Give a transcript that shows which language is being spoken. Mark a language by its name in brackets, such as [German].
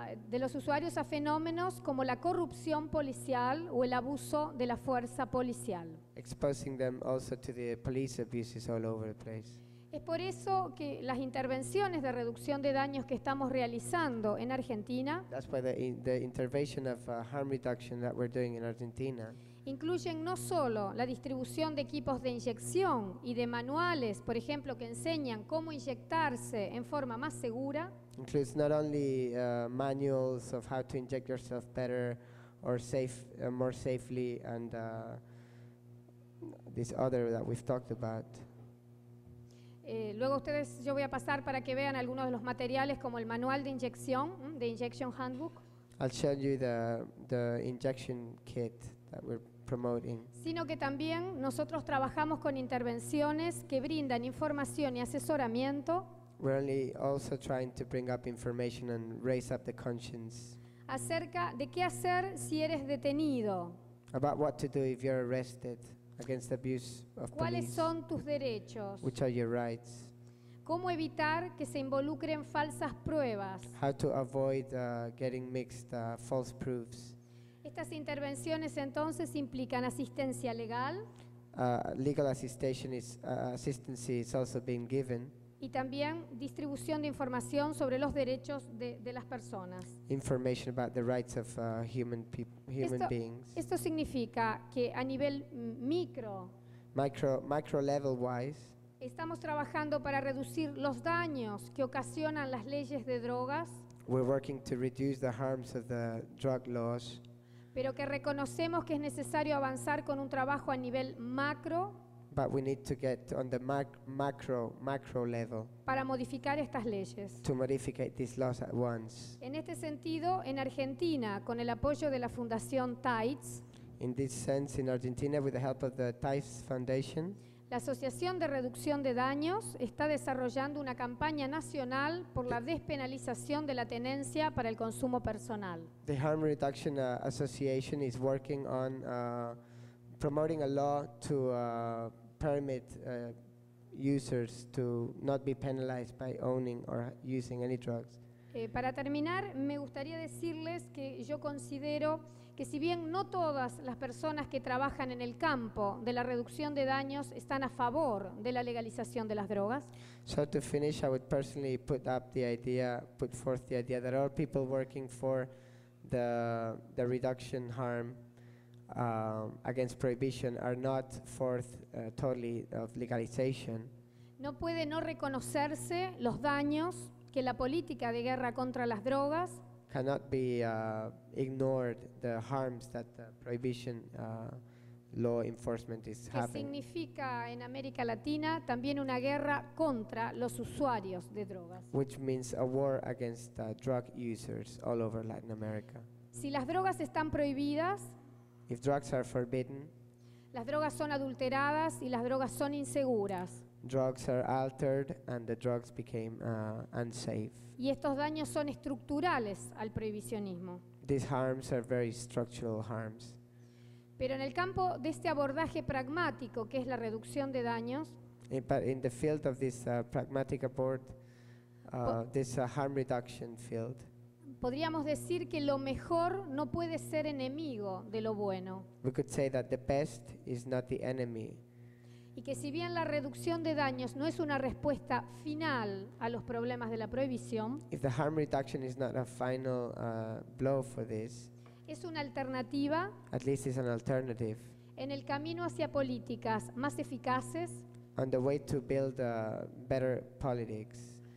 [Spanish] de los usuarios a fenómenos como la corrupción policial o el abuso de la fuerza policial. [English] Exposing them also to the police abuses all over the place. [Spanish] Es por eso que las intervenciones de reducción de daños que estamos realizando en Argentina, [English] that's why the intervention of harm reduction that we're doing in Argentina, [Spanish] incluyen no solo la distribución de equipos de inyección y de manuales, por ejemplo, que enseñan cómo inyectarse en forma más segura, [English] includes not only manuals of how to inject yourself better or more safely and this other that we've talked about. [Spanish] Luego ustedes, yo voy a pasar para que vean algunos de los materiales como el manual de inyección, [English] the injection handbook. I'll show you the injection kit that we're promoting. [Spanish] Sino que también nosotros trabajamos con intervenciones que brindan información y asesoramiento. [English] We're only also trying to bring up information and raise up the conscience. [Spanish] Acerca de qué hacer si eres detenido. [English] About what to do if you're arrested. Against abuse of [Spanish] ¿cuáles [English] police, [Spanish] son tus derechos? [English] Which are your rights? [Spanish] ¿Cómo evitar que se involucren falsas pruebas? [English] How to avoid getting mixed false proofs? [Spanish] Estas intervenciones entonces implican asistencia legal. [English] Legal assistance is also being given. [Spanish] Y también distribución de información sobre los derechos de las personas. [English] Information about the rights of human beings. [Spanish] Esto significa que a nivel micro [English] level wise, [Spanish] estamos trabajando para reducir los daños que ocasionan las leyes de drogas. [English] We're working to reduce the harms of the drug laws. [Spanish] Pero que reconocemos que es necesario avanzar con un trabajo a nivel macro. [English] But we need to get on the macro level [Spanish] para modificar estas leyes, [English] to modify these laws at once. [Spanish] En este sentido, en Argentina, con el apoyo de la Fundación TIDES, [English] in this sense, in Argentina, with the help of the TIDES Foundation, [Spanish] la Asociación de Reducción de Daños está desarrollando una campaña nacional por la despenalización de la tenencia para el consumo personal. [English] The Harm Reduction Association is working on promoting a law to permit users to not be penalized by owning or using any drugs. [Spanish] Para terminar, me gustaría decirles que yo considero que si bien no todas las personas que trabajan en el campo de la reducción de daños están a favor de la legalización de las drogas. [English] So to finish, I would personally put forth the idea that all people working for the reduction harm against prohibition are not forth totally of legalization. [Spanish] No puede no reconocerse los daños que la política de guerra contra las drogas [English] cannot be ignored the harms that the prohibition law enforcement is [Spanish] que [English] having. [Spanish] Que significa en América Latina también una guerra contra los usuarios de drogas. [English] Which means a war against drug users all over Latin America. [Spanish] Si las drogas están prohibidas, [English] if drugs are forbidden, [Spanish] las drogas son adulteradas y las drogas son inseguras. [English] Drugs are altered and the drugs became unsafe. [Spanish] Y estos daños son estructurales al prohibicionismo. [English] These harms are very structural harms. [Spanish] Pero en el campo de este abordaje pragmático, que es la reducción de daños, [English] in the field of this pragmatic abord, this harm reduction field, [Spanish] podríamos decir que lo mejor no puede ser enemigo de lo bueno. [English] We could say that the best is not the enemy. [Spanish] Y que si bien la reducción de daños no es una respuesta final a los problemas de la prohibición, [English] if the harm reduction is not a final blow for this, [Spanish] es una alternativa, [English] at least it's an alternative, [Spanish] en el camino hacia políticas más eficaces, [English] on the way to build better politics,